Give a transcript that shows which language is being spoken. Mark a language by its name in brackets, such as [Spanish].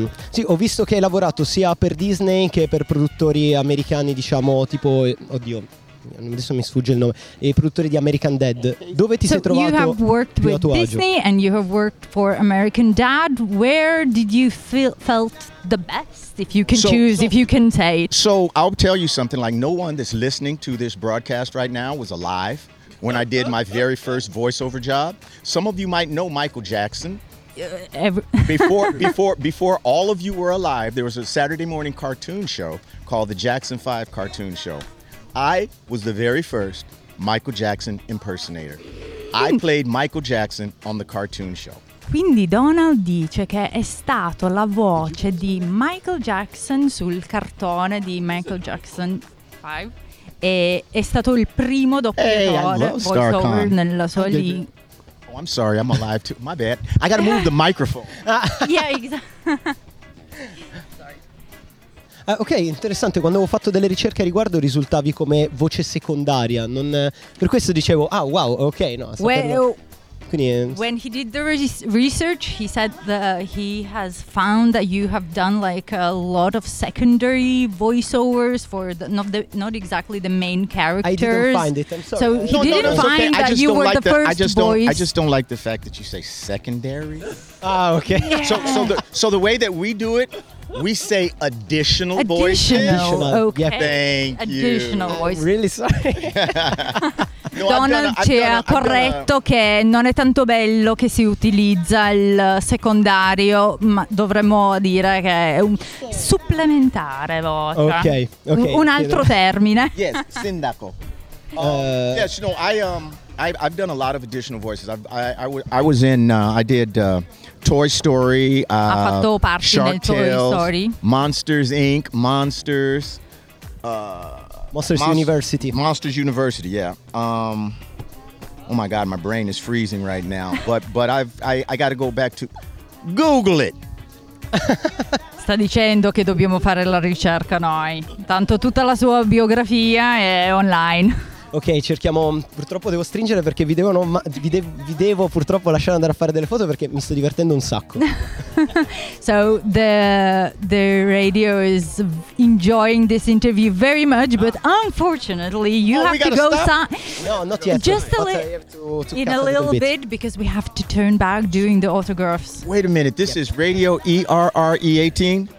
[Italian] Sì, ho visto che hai lavorato sia per Disney che per produttori americani, diciamo, tipo, oddio, adesso mi sfugge il nome, i produttori di American Dad. Dove ti [English] so [Italian] sei trovato? [English] You have worked with Disney and you have worked for American Dad. Where did you felt the best, if you can choose, if you can say it? So I'll tell you something, like no one that's listening to this broadcast right now was alive when I did my very first voiceover job. Some of you might know Michael Jackson. before all of you were alive, there was a Saturday morning cartoon show called the Jackson 5 Cartoon Show. I was the very first Michael Jackson impersonator. I played Michael Jackson on the cartoon show. Quindi Donald dice che è stato la voce di Michael Jackson sul cartone di Michael Jackson 5 e è stato il primo doppiatore voiceover nella sua lingua. Oh, I'm sorry, I'm alive too. My bad. I gotta move the microphone. Yeah, exactly. [Italian] Ok, interessante. Quando ho fatto delle ricerche a riguardo risultavi come voce secondaria. Non, per questo dicevo, ah wow, ok. No, [English] well, [Italian] Quindi, [English] when he did the research, he said that he has found that you have done like a lot of secondary voiceovers for not exactly the main characters. I didn't find it. I'm sorry. So he didn't find that you were the first voice. I just don't like the fact that you say secondary. Ah, okay. Yeah. So the way that we do it, we say additional voices. Additional. Okay. Yeah. Thank additional you. Additional voices. Really sorry. [Italian] Donald ci ha corretto che non è tanto bello che si utilizza il secondario, ma dovremmo dire che è un supplementare voce. [English] Okay, okay. [Italian] Un altro termine. [English] Yes, sindaco. Yes, you know, I've done a lot of additional voices. I did Toy Story, Shark Tales, Toy Story. Monsters Inc., Monsters. Monsters University. Monsters University, yeah. Oh my God, my brain is freezing right now. But I got to go back to Google it. [Italian] Sta dicendo che dobbiamo fare la ricerca noi. Tanto tutta la sua biografia è online. Ok, cerchiamo. Purtroppo devo stringere perché vi devo purtroppo lasciare andare a fare delle foto perché mi sto divertendo un sacco. [English] So the radio is enjoying this interview very much, but unfortunately you have to go. No, not yet. Just a little. In a little bit because we have to turn back doing the autographs. Wait a minute. This is Radio ERRE18.